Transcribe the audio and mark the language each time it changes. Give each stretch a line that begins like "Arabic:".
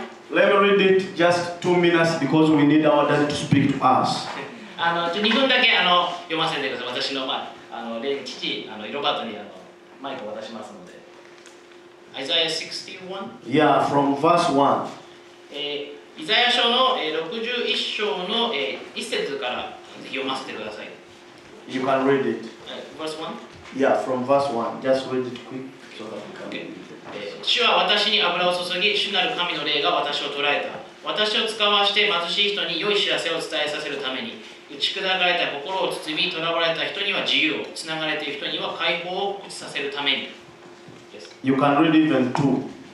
English: Let me read it just 2 minutes because we need our daddy to speak to us.
Japanese: 2分だけ読ませてください。私の父、ロバートにマイクを渡しますので。
English: Isaiah 61? Yeah, from verse 1.
Japanese: イザヤ書の61章の1節からぜひ読ませてください。
English: You can read it. Verse 1? Yeah, from verse 1. Just read it quick so that we can read it.
Japanese: 主は私に油を注ぎ、主なる神の霊が私を捉えた。私を使わして貧しい人に良い知らせを伝えさせるために、打ち砕かれた心を包み、囚われた人には自由を、つながれている人には解放を口させるために。
English: Yes. You can read even 2.